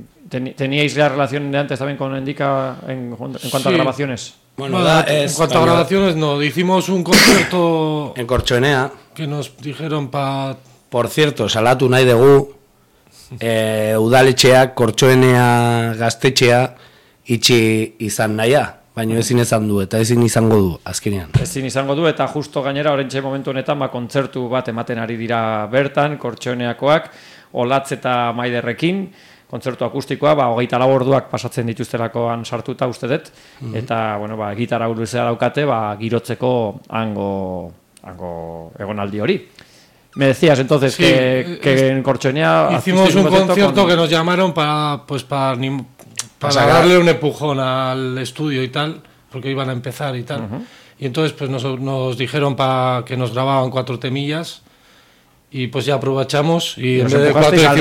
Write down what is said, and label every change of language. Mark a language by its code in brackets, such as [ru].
[es] Teníais la relación de antes también con Endika en cuanto sí. a grabaciones? Bueno, da, en cuanto a grabaciones, no. Hicimos un concierto... en Corchoenea. Que nos dijeron para... Por cierto, [eu] salatu nahi dugu, udaletxea, Kortxoenea gaztetxea, itxi izan naia, baina ezin izan du, eta ezin izango du, azkenean. Ezin izango du, eta justo gainera, oraintxe momentu honetan, ba, kontzertu bat ematen ari dira bertan, Kortxoeneakoak, Olatz eta Maiderrekin, kontzertu akustikoa, ba, 24 orduak pasatzen dituzterakoan sartuta uste dut, eta, bueno, ba, gitarra uruzea daukate, ba, girotzeko hango egonaldi hori. [es] Me decías entonces sí, que en Corchoenea hicimos un concierto que nos llamaron para darle un empujón al estudio y tal, porque iban a empezar y tal. Y entonces pues nos dijeron para que nos grababan cuatro temillas y pues ya aprovechamos y en vez de cuatro hicimos